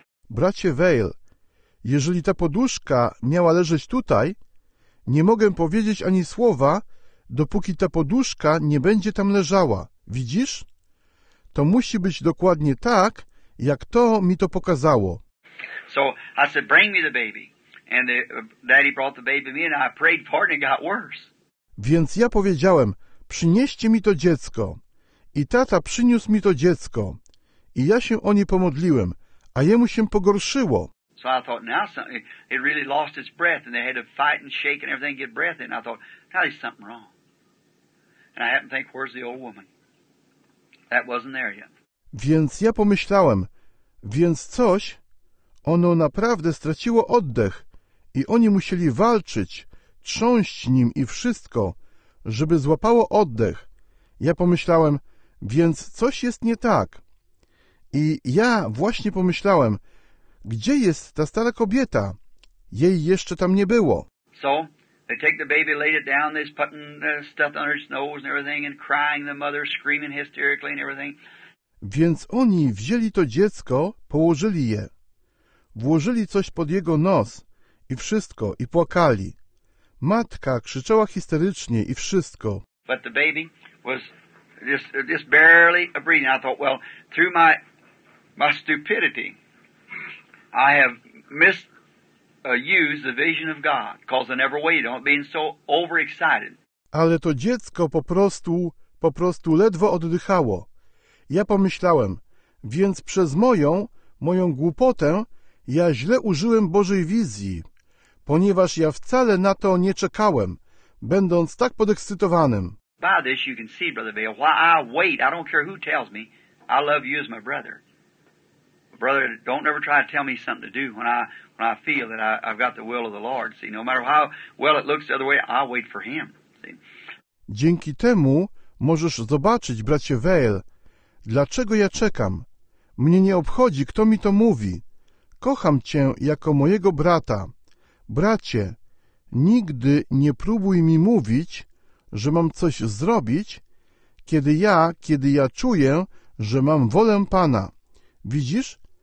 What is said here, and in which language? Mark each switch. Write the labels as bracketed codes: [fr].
[pl] Bracie Vail, jeżeli ta poduszka miała leżeć tutaj, nie mogę powiedzieć ani słowa, dopóki ta poduszka nie będzie tam leżała. Widzisz? To musi być dokładnie tak, jak to mi to pokazało. [en] So I said, bring me the baby. And the daddy brought the baby in, and I prayed for it and it got worse. [pl] Więc ja powiedziałem, przynieście mi to dziecko. I tata przyniósł mi to dziecko. I ja się o nie pomodliłem, a jemu się pogorszyło. [en] So I thought, now it really lost its breath and they had to fight and shake and everything to get breath in. I thought, now there's something wrong. And I happened to think, where's the old woman? That wasn't there yet. [pl] Więc ja pomyślałem, więc coś, ono naprawdę straciło oddech i oni musieli walczyć, trząść nim i wszystko, żeby złapało oddech. Ja pomyślałem, więc coś jest nie tak. I ja właśnie pomyślałem, gdzie jest ta stara kobieta? Jej jeszcze tam nie było. [en] So, they take the baby, laid it down, they're putting stuff under its nose and everything and crying, the mother screaming hysterically and everything. [pl] Więc oni wzięli to dziecko, położyli je, włożyli coś pod jego nos i wszystko, i płakali. Matka krzyczała histerycznie i wszystko. [en] But the baby was just barely breathing. I thought, well, through my stupidity, I have misused the vision of God, because I never waited on being so overexcited. [pl] Ale to dziecko po prostu ledwo oddychało. Ja pomyślałem, więc przez moją głupotę, ja źle użyłem Bożej wizji, ponieważ ja wcale na to nie czekałem, będąc tak podekscytowanym. [en] By this you can see, Brother Bale, why I wait. I don't care who tells me. I love you as my brother. Brother, don't ever try to tell me something to do when I feel that I've got the will of the Lord. See, no matter how well it looks the other way, I wait for him. See? [pl] Dzięki temu możesz zobaczyć, bracie Vail, dlaczego ja czekam. Mnie nie obchodzi, kto mi to mówi. Kocham cię jako mojego brata. Bracie, nigdy nie próbuj mi mówić, że mam coś zrobić, kiedy ja czuję, że mam wolę Pana. Widzisz?